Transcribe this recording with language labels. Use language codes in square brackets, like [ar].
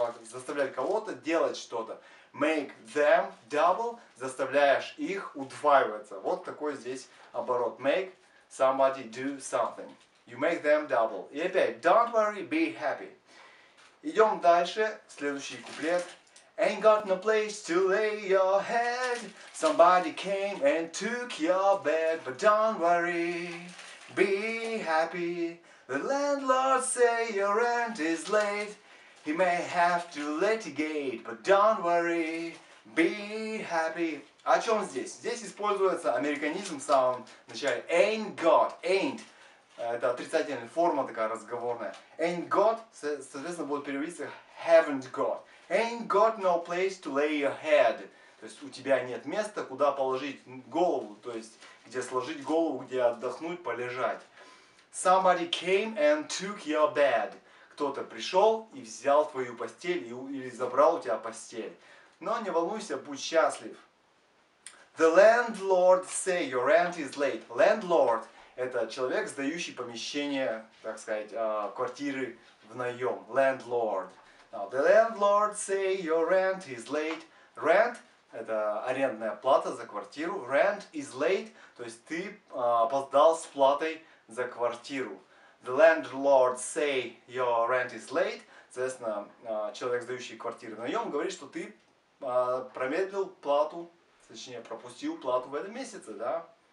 [ru] Заставлять кого-то делать что-то. [en] Make them double, [ru] заставляешь их удваиваться. Вот такой здесь оборот. [en] Make somebody do something. You make them double. [ru] И опять, [en] don't worry, be happy. [ru] Идем дальше, следующий куплет. [en] Ain't got no place to lay your head. Somebody came and took your bed. But don't worry, be happy. The landlord say your rent is late. He may have to litigate, but don't worry, be happy. [ru] О чем здесь? Здесь используется американизм в самом начале. [en] Ain't got, ain't. [ru] Это отрицательная форма такая разговорная. Ain't got, соответственно, будет переводиться haven't got. [en] Ain't got no place to lay your head. [ru] То есть у тебя нет места, куда положить голову. То есть где сложить голову, где отдохнуть, полежать. [en] Somebody came and took your bed. [ru] Кто-то пришел и взял твою постель или забрал у тебя постель. Но не волнуйся, будь счастлив. [en] The landlord say your rent is late. [ru] Landlord – это человек, сдающий помещение, так сказать, квартиры в наем. [en] Landlord. Now, the landlord say your rent is late. [ru] Rent – это арендная плата за квартиру. [en] Rent is late [ru] – то есть ты опоздал с платой за квартиру. [en] The landlord say your rent is late. [ru] Соответственно, человек, сдающий квартиру в наем, говорит, что ты промедлил плату, точнее, пропустил плату в этом месяце, да?